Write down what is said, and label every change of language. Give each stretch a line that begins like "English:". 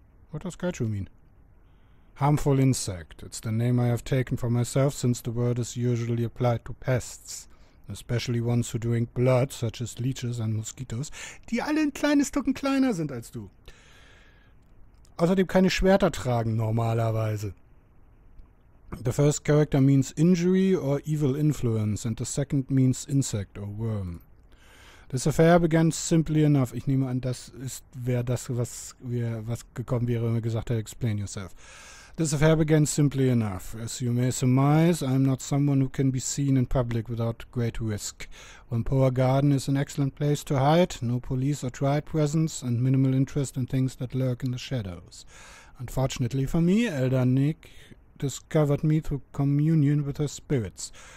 English: What does Gaichu mean? Harmful insect. It's the name I have taken for myself since the word is usually applied to pests, especially ones who drink blood, such as leeches and mosquitoes,
German: die alle ein kleines Tucken kleiner sind als du. Außerdem keine Schwerter tragen, normalerweise.
English: The first character means injury or evil influence, and the second means insect or worm. This affair began simply enough.
German: Ich nehme an, das ist, wäre das, was gekommen wäre, wenn wir gesagt hätten,
English: explain yourself. This affair began simply enough. As you may surmise, I am not someone who can be seen in public without great risk. Wampoa Garden is an excellent place to hide, no police or triad presence, and minimal interest in things that lurk in the shadows. Unfortunately for me, Elder Nick discovered me through communion with her spirits.